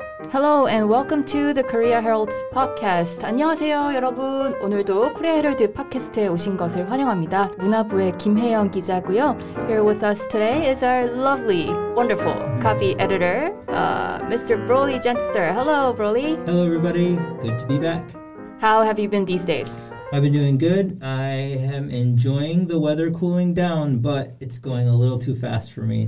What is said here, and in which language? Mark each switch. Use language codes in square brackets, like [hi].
[en] Hello and welcome to the Korea Herald's podcast. [ko] 안녕하세요, 여러분. 오늘도 코리아 헤럴드 팟캐스트에 오신 것을 환영합니다. 문화부의 김혜영 기자고요. [en] Here with us today is our lovely, wonderful copy editor, Mr. Broly Jenster. Hello, Broly. Hello, everybody. Good to be back. How have you been these days? I've been doing good. I am enjoying the weather cooling down, but it's going a little too fast for me.